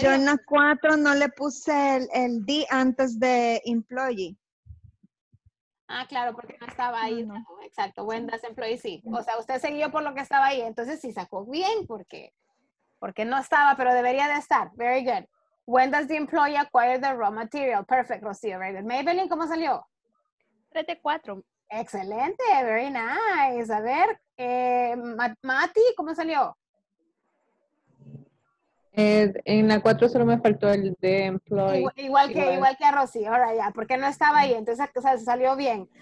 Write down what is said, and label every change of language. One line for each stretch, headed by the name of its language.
Spanish: Yo en la 4 no le puse el D antes de employee. Ah, claro, porque no estaba ahí, ¿no? Exacto,
English: when does employee,
Spanish: sí. O sea, usted siguió por lo que estaba ahí. Entonces, sí sacó bien, porque no estaba, pero debería de estar.
English: Very good. When does the employee acquire the raw material? Perfect, Rocío, very good. Maybelline,
Spanish: ¿cómo salió? 3 de 4. Excelente,
English: very nice.
Spanish: A ver, Mati, ¿cómo salió? En la 4 solo me faltó el de employee. Igual que a Rosy, ahora ya, porque no estaba ahí, entonces o sea, salió bien.